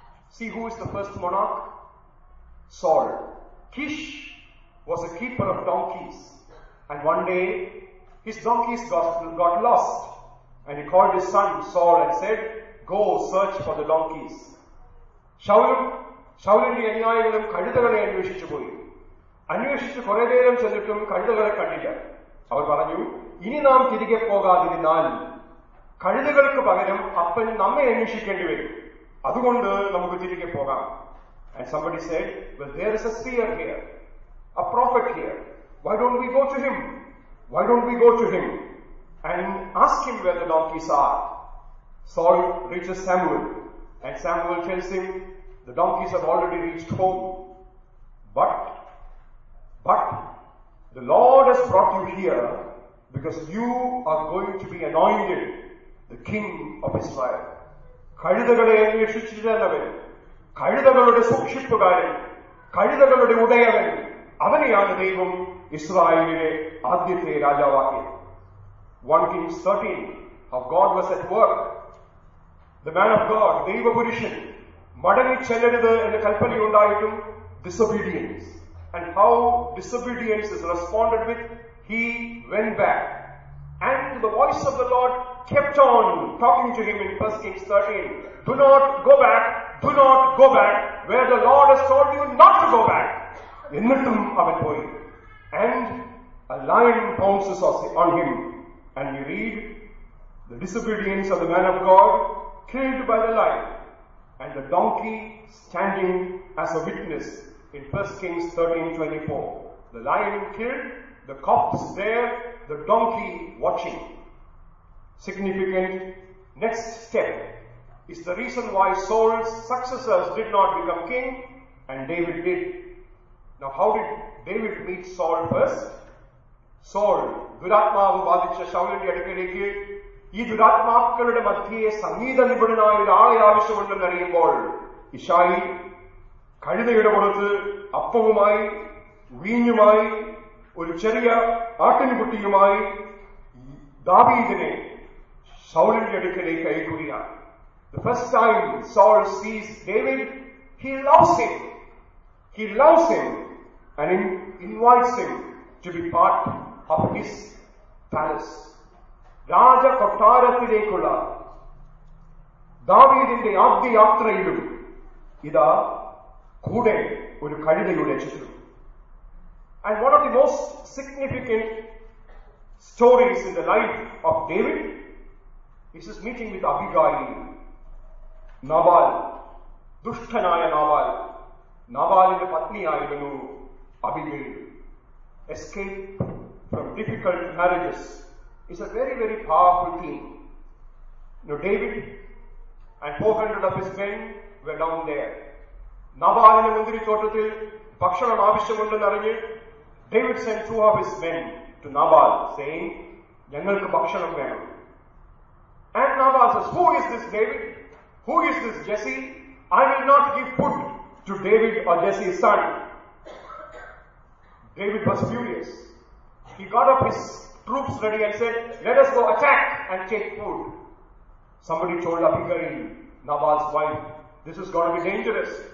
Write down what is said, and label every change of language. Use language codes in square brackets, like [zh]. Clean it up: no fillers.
[en] See who is the first monarch? Saul. Kish was a keeper of donkeys. And one day, his donkeys got lost. And he called his son Saul and said, "Go search for the donkeys." [ml] ഷൗലിന്റെ അനുയായികളും കഴുതകളെ അന്വേഷിച്ചു പോയി. അന്വേഷിച്ച് കുറെ നേരം ചെന്നിട്ടും കഴുതകളെ കണ്ടില്ല. അവർ പറഞ്ഞു, ഇനി നാം തിരികെ പോകാതിരുന്നാൽ കഴുതകൾക്ക് പകരം അപ്പൻ നമ്മെ അന്വേഷിക്കേണ്ടി വരും, അതുകൊണ്ട് നമുക്ക് തിരികെ പോകാം. [en] And somebody said, "Well, there is a seer here, a prophet here. Why don't we go to him? Why don't we go to him and ask him where the donkeys are?" Saul reaches Samuel, and Samuel tells him, "The donkeys have already reached home, but the Lord has brought you here because you are going to be anointed the king of Israel." [ml] കഴുതകളെ അന്വേഷിച്ചിരുന്നവൻ, കഴുതകളുടെ സൂക്ഷിപ്പുകാരൻ, കഴുതകളുടെ ഉടയവൻ, അവനെയാണ് ദൈവം ഇസ്രായേലിലെ ആദ്യത്തെ രാജാവാക്കിയത്. [en] 1 Kings 13, how God was at work. The man of God, [ml] ദൈവപുരുഷൻ, മടങ്ങി ചെല്ലരുത് എന്ന കൽപ്പനയുണ്ടായിട്ടും [en] Disobedience. And how disobedience is responded with, he went back. And the voice of the Lord kept on talking to him in 1 Kings 13. Do not go back, do not go back where the Lord has told you not to go back. [ml] എന്നിട്ടും അവൻ പോയി. [en] And a lion pounces on him. And we read, the disobedience of the man of God killed by the lion. And the donkey standing as a witness in 1 Kings 13:24. The lion killed, the corpse there, the donkey watching. Significant next step is the reason why Saul's successors did not become king and David did. Now how did David meet Saul first? [ml] Saul, ദുരാത്മാവ് ബാധിച്ച ശൗലിന്റെ അടുക്കലേക്ക് ഈ ദുരാത്മാക്കളുടെ മധ്യയെ സംഗീത നിപുണനായ ഒരാളെ ആവശ്യമുണ്ടെന്നറിയുമ്പോൾ ഇഷായി കഴുതയുടെ പുറത്ത് അപ്പവുമായി വീഞ്ഞുമായി ഒരു ചെറിയ ആട്ടിൻകുട്ടിയുമായി ദാവീദിനെ ശൗലിന്റെ അടുക്കലേക്ക് അയക്കുകയാണ്. [en] The first time Saul sees David, he loves him and invites him to be part of his palace. [ml] രാജകൊട്ടാരത്തിലേക്കുള്ള ദാവീദിന്റെ ആദ്യ യാത്രയിലും ഇതാ കൂടെ ഒരു കഴുതയുടെ ചിത്രം. [en] And one of the most significant stories in the life of David is his meeting with Abigail. [ml] നബാൽ, ദുഷ്ടനായ നബാൽ, നബാലിന്റെ പത്നിയായിരുന്നു അബിഗൈൽ. [en] Escape from difficult marriages is a very, very powerful theme. Now David and 400 of his men were down there. [ml] നബാലിന്റെ മുന്തിരിത്തോട്ടത്തിൽ ഭക്ഷണം ആവശ്യമുണ്ടെന്നറിഞ്ഞ് [en] David sent 2 of his men to Nabal saying, [ml] "Njangalkku bhakshanam venam." [en] And Nabal says, "Who is this David? Who is this Jesse? I will not give food to David or Jesse's son." David was furious. He got up his troops ready and said, "Let us go attack and take food." Somebody told Abigail, Nabal's wife, "This is going to be dangerous.